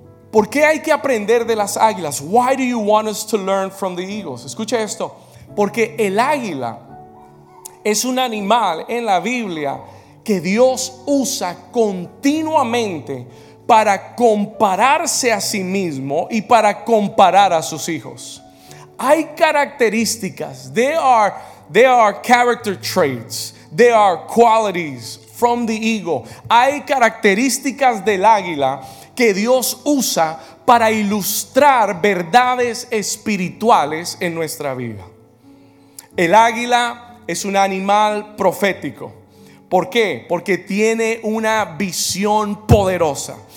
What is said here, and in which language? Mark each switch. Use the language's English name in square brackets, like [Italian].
[Spanish] ¿Por qué hay que aprender de las águilas? [English] Why do you want us to learn from the eagles? [Spanish] Escuche esto. Porque el águila es un animal en la Biblia que Dios usa continuamente para compararse a sí mismo y para comparar a sus hijos. Hay características, [English] there are character traits, there are qualities from the eagle. [Spanish] Hay características del águila que Dios usa para ilustrar verdades espirituales en nuestra vida. El águila es un animal profético. ¿Por qué? Porque tiene una visión poderosa.